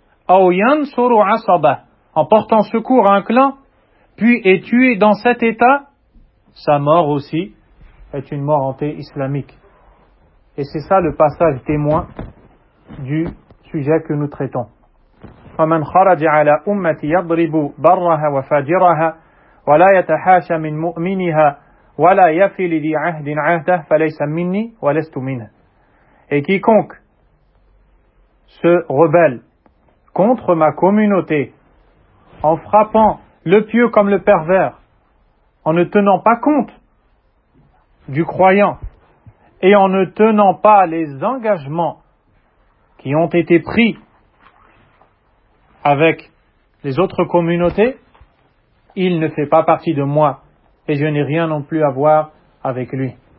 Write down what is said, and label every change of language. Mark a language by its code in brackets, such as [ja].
[ar] أَوْ يَنْصُرُ عَصَبَةٍ. [fr] En portant secours à un clan, puis est tué dans cet état, sa mort aussi est une mort anti-islamique. Et c'est ça le passage témoin du sujet que nous traitons. [ar] فَمَنْ خَرَجَ عَلَى أُمَّةِ يَضْرِبُ بَرَّهَا وَفَاجِرَهَا ولا يتحاشى من مؤمنها ولا يفي لذي عهد عهده فليس مني ولست منه. [fr] Et quiconque se rebelle contre ma communauté en frappant le pieux comme le pervers, en ne tenant pas compte du croyant et en ne tenant pas les engagements qui ont été pris avec les autres communautés, il ne fait pas partie de moi et je n'ai rien non plus à voir avec lui.